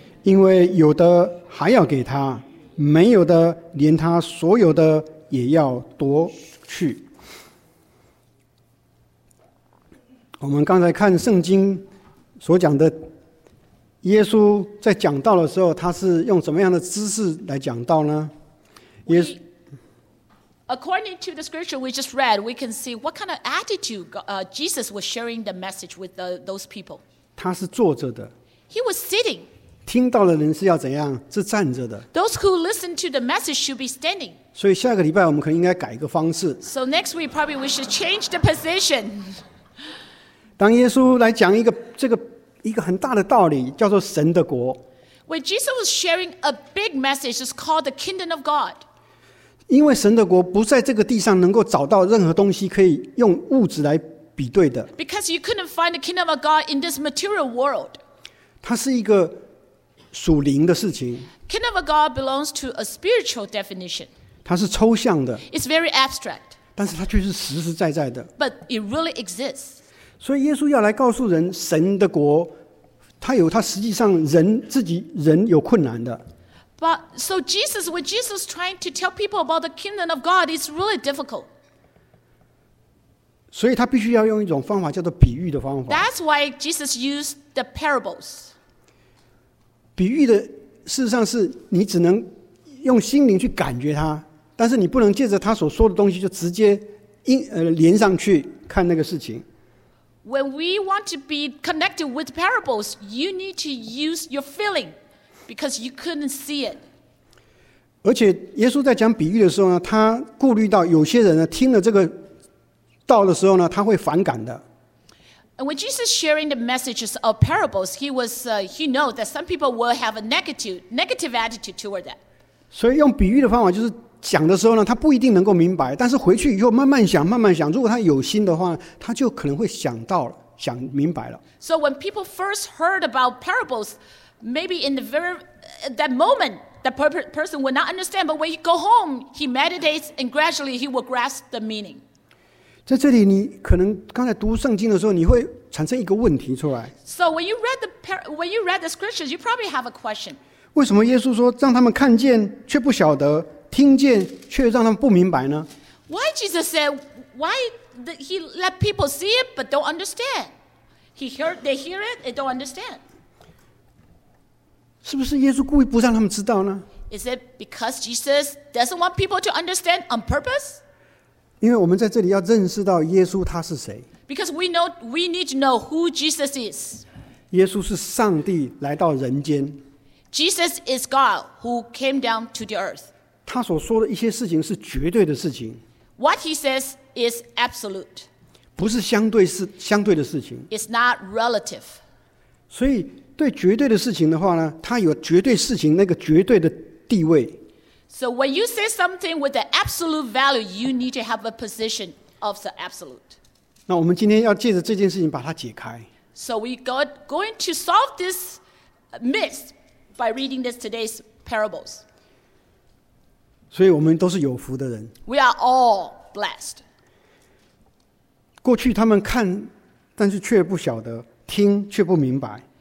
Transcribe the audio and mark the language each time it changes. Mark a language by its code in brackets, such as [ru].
[zh] 因为有的还要给他，没有的连他所有的也要夺去。我们刚才看圣经所讲的，耶稣在讲道的时候，他是用什么样的姿势来讲道呢？ [en] 耶稣 According to the scripture we just read, we can see what kind of attitude Jesus was sharing the message with those people. [zh] 他是坐着的。 [en] He was sitting. [zh] 听到的人是要怎样？是站着的。 [en] Those who listen to the message should be standing. [zh] 所以下个礼拜我们可能应该改一个方式。 [en] So next week probably we should change the position. [zh] 当耶稣来讲一个这个一个很大的道理，叫做神的国。 [en] When Jesus was sharing a big message, it's called the kingdom of God. [zh] 因为神的国不在这个地上能够找到任何东西可以用物质来比对的。 [en] Because you couldn't find the kingdom of God in this material world. [zh] 它是一个属灵的事情。 [en] Kingdom of God belongs to a spiritual definition. [zh] 它是抽象的。 [en] It's very abstract. [zh] 但是它却是实实在在的。 [en] But it really exists. [zh] 所以耶稣要来告诉人，神的国，它有它实际上人自己人有困难的。 [en] But so Jesus, when Jesus is trying to tell people about the kingdom of God, it's really difficult. [zh] 所以他必须要用一种方法，叫做比喻的方法。 [en] That's why Jesus used the parables. [zh] 比喻的事实上是你只能用心灵去感觉它，但是你不能借着他所说的东西就直接连上去看那个事情。 [en] When we want to be connected with parables, you need to use your feeling because you couldn't see it. [zh] 而且耶稣在讲比喻的时候呢，他顾虑到有些人呢听了这个道的时候呢，他会反感的。 [en] And when Jesus sharing the messages of parables, he knows that some people will have a negative attitude toward that. [zh] 所以用比喻的方法就是讲的时候呢，他不一定能够明白，但是回去以后慢慢想，慢慢想，如果他有心的话，他就可能会想到了，想明白了。 [en] So when people first heard about parables, maybe in the very that moment, the person will not understand. But when he go home, he meditates, and gradually he will grasp the meaning. [zh] 在这里，你可能刚才读圣经的时候，你会产生一个问题出来。 [en] So when you read the scriptures, you probably have a question. [zh] 为什么耶稣说让他们看见却不晓得，听见却让他们不明白呢 [en] ？Why Jesus said why he let people see it but don't understand? They hear it and don't understand. [zh] 是不是耶稣故意不让他们知道呢 [en] ？Is it because Jesus doesn't want people to understand on purpose? [zh] 因为我们在这里要认识到耶稣他是谁。 [en] Because we need to know who Jesus is. [zh] 耶稣是上帝来到人间。 [en] Jesus is God who came down to the earth. [zh] 他所说的一些事情是绝对的事情。 [en] What he says is absolute. [zh] 不是相对的事情。 [en] It's not relative. [zh] 所以对绝对的事情的话呢，他有绝对事情那个绝对的地位。 [en] So when you say something with an absolute value, you need to have a position of the absolute. [zh] 那我们今天要借着这件事情把它解开。 [en] So we got going to solve this myth by reading this today's parables. [zh] 所以我们都是有福的人。 [en] We are all blessed. [zh] 过去他们看，但是却不晓得；听却不明白。